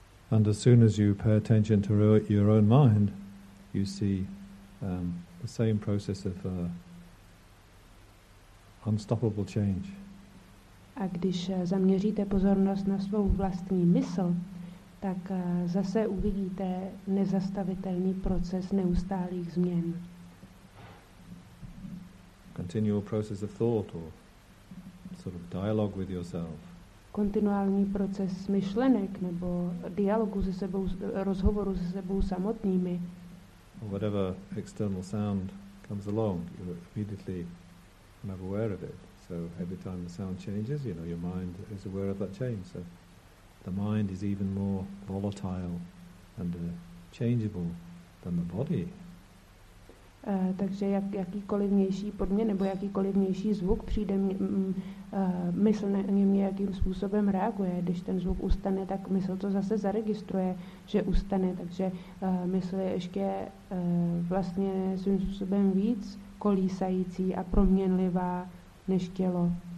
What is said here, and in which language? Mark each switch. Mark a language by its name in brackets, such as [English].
[English] And as soon as you pay attention to your own mind, you see the same process of unstoppable change. [Czech] A když zaměříte pozornost na svou vlastní mysl, tak zase uvidíte nezastavitelný proces neustálých změn. [English] Continual process of thought or sort of dialogue with yourself. [Czech] Kontinuální proces myšlenek nebo dialogu se sebou, rozhovoru se sebou samotnými. [English] Whatever external sound comes along, you immediately are aware of it. So every time the sound changes, you know, your mind is aware of that change. So the mind is even more volatile and changeable than the body. [Czech] Takže jakýkoliv vnější podmět nebo jakýkoliv vnější zvuk přijde, mysl na něm nějakým způsobem reaguje. Když ten zvuk ustane, tak mysl to zase zaregistruje, že ustane. Takže mysl je ještě vlastně svým způsobem víc kolísající a proměnlivá než tělo.